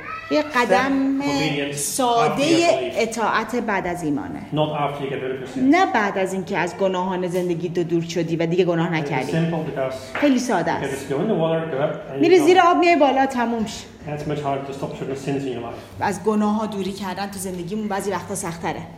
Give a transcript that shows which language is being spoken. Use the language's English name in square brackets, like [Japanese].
[Persian] یه قدم ساده اطاعت بعد از ایمانه، نه بعد از اینکه از گناهان زندگی تو دور شدی و دیگه گناه نکردی. خیلی ساده است. میری زیر آب میای بالا تموم شد. [English] That's much harder to stop certain sins in your life. [Persian] از گناه ها دوری کردن تو زندگیمون بعضی وقتا سخت‌تره.